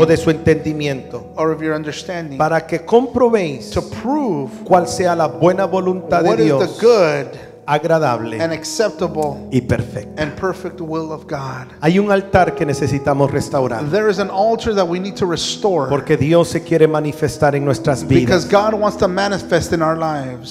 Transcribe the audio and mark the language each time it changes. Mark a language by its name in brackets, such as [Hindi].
[Spanish] o de su entendimiento, [English] or of your understanding, [Spanish] para que comprobéis [English] to prove [Spanish] cuál sea la buena voluntad [English] what [Spanish] de Dios. [English] Is the good [Spanish] agradable [English] and acceptable [Spanish] y perfecto. [English] And perfect will of God. [Spanish] Hay un altar que necesitamos restaurar. [English] There is an altar that we need to restore. [Spanish] Porque Dios se quiere manifestar en nuestras vidas. [English] Because God wants to manifest in our lives.